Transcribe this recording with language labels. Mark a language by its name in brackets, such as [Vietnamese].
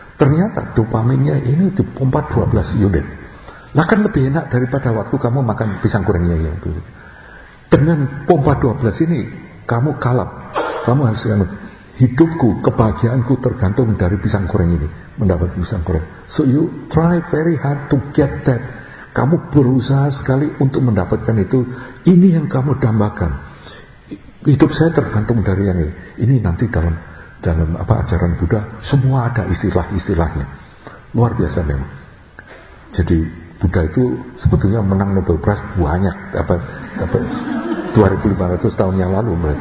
[Indonesian] Ternyata dopaminnya ini dipompa 12 unit. Lah kan lebih enak daripada waktu kamu makan pisang gorengnya yang itu. Dengan pompa 12 ini, kamu kalap. Kamu harus ingat, hidupku, kebahagiaanku tergantung dari pisang goreng ini. Mendapat pisang goreng. [English] So you try very hard to get that. [Indonesian] Kamu berusaha sekali untuk mendapatkan itu. Ini yang kamu dambakan. Hidup saya tergantung dari yang ini. Ini nanti dalam apa ajaran Buddha, semua ada istilah-istilahnya. Luar biasa memang. Jadi Buddha itu sebetulnya menang Nobel Prize banyak, dapat 2500 tahun yang lalu.